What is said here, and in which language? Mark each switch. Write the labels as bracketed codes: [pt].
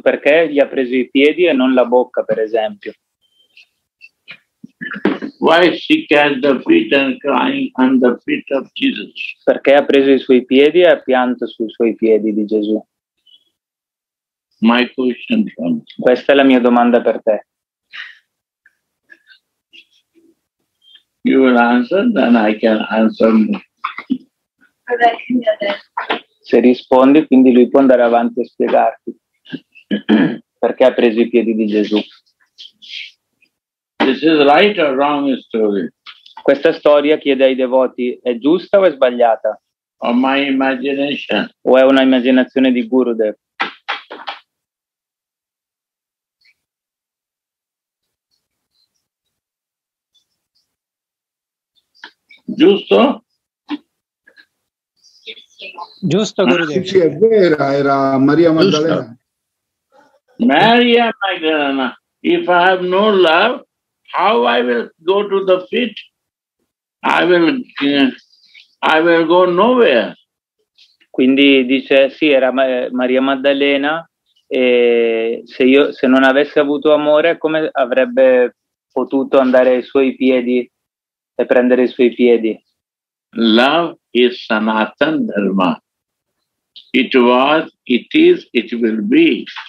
[it] Perché gli ha preso i piedi e non la bocca, per esempio? [en] Why she catch the feet and crying on the feet of Jesus? [it] Perché ha preso i suoi piedi e ha pianto sui suoi piedi di Gesù? [en] My question from. [it] Questa è la mia domanda per te. [en] you will answer, then I can answer more. [it] Se rispondi, quindi lui può andare avanti a spiegarti perché ha preso i piedi di Gesù. [en] This is right or wrong story. [it] Questa storia, chiede ai devoti, è giusta o è sbagliata? [en] Or my imagination. [it] O è una immaginazione di Gurudev? Giusto? Giusto, Gurudev. Sì, è vera, era Maria Maddalena. [en] Maria Maddalena, if I have no love, how I will go to the feet? I will go nowhere. [it] Quindi dice, sì, era Maria Maddalena, e se non avesse avuto amore, come avrebbe potuto andare ai suoi piedi e prendere i suoi piedi? [en] Love is Sanatan Dharma. It was, it is, it will be.